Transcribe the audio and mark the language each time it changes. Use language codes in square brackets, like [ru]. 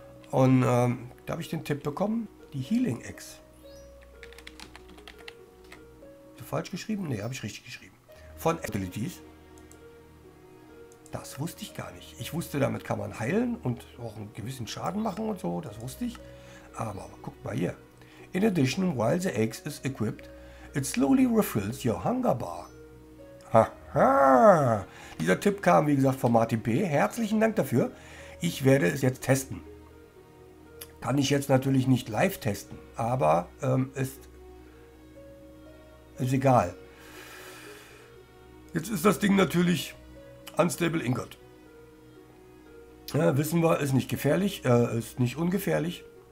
[de] Und da habe ich den Tipp bekommen, die Healing Eggs. Falsch geschrieben? Ne, habe ich richtig geschrieben. Von Abilities. Das wusste ich gar nicht. Ich wusste, damit kann man heilen und auch einen gewissen Schaden machen und so, das wusste ich. Aber guck mal hier. [en] In addition, while the eggs is equipped, it slowly refills your hunger bar. Haha. [de] Dieser Tipp kam, wie gesagt, von Martin P. Herzlichen Dank dafür. Ich werde es jetzt testen. Kann ich jetzt natürlich nicht live testen, aber ist egal. Jetzt ist das Ding natürlich Unstable Ingot. Ja, wissen wir, ist nicht gefährlich, ist nicht ungefährlich.